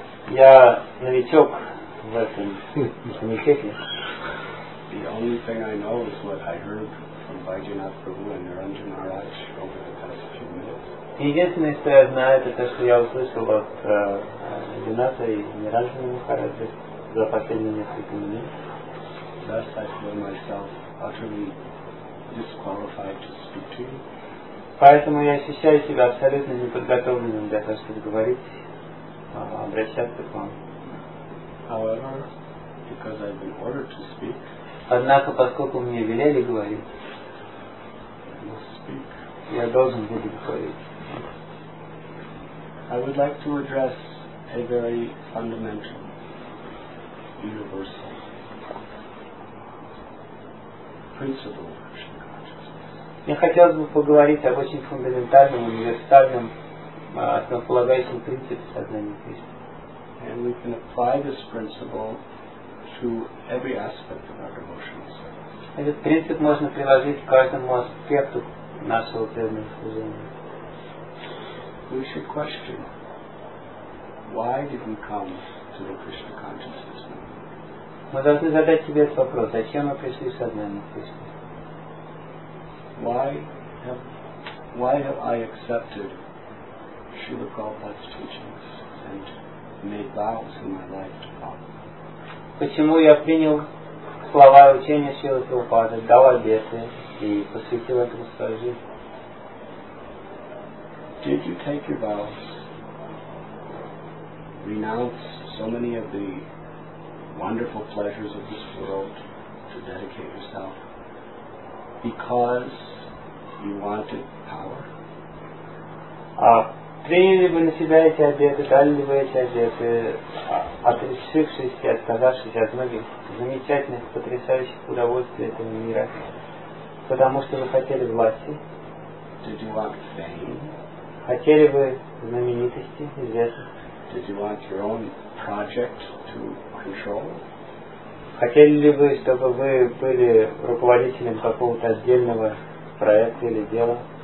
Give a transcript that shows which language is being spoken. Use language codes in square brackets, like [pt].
[ru] Я новичок в этом комитете. [en] The only thing I know is what I heard from Vaidyanath Prabhu and Niranjan Maharaj over the past few minutes. [ru] Единственное, что я знаю, это то, что я услышал от Динаса и Ниранджана Махараджи за последние несколько минут. [en] Thus I feel myself utterly disqualified to speak to you. [ru] Поэтому я ощущаю себя абсолютно неподготовленным для того, чтобы говорить, обращаться к вам. [en] However, because I've been ordered to speak, [ru] однако, поскольку мне велели говорить, я должен буду говорить. [en] I would like to address a very fundamental, universal principle of Krishna consciousness. [ru] Я хотел бы поговорить об очень фундаментальном, универсальном, основополагающем принципе сознания Кришны. [en] And we can apply this principle to every aspect of our devotional service. [ru] Этот принцип можно приложить к каждому аспекту нашего преданного служения. [en] We should question, why did we come to the Krishna consciousness movement? [ru] Мы должны задать себе этот вопрос: зачем мы пришли в сознание Кришны? [en] Why have I accepted Srila Prabhupada's teachings and made vows in my life to Prabhupada? [ru] Почему я принял слова и учения Шрилы Прабхупады, дал обеты и посвятил этому свою жизнь? [en] Did you take your vows, renounce so many of the wonderful pleasures of this world to dedicate yourself because you wanted power? [ru] Приняли бы на себя эти обеты, дали ли бы эти обеты, отрешившись и отказавшись от многих замечательных, потрясающих удовольствий этого мира, потому что вы хотели власти? [en] Did you want fame? [ru] Хотели бы знаменитости, известности? [en] Did you want your own project to control? [ru] Хотели ли вы, чтобы вы были руководителем какого-то отдельного проекта или дела?